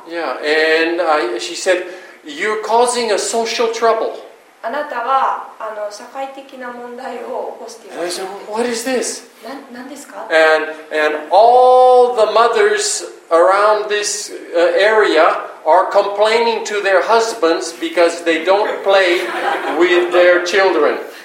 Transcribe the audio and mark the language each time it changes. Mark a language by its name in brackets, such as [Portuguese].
[English] Yeah, and she said, you're causing a social trouble. [Japanese] あなたは社会的な問題を起こしています。 [English] And I said, What is this? [Japanese] 何ですか? [English] And all the mothers around this area are complaining to their husbands because they don't play with their children.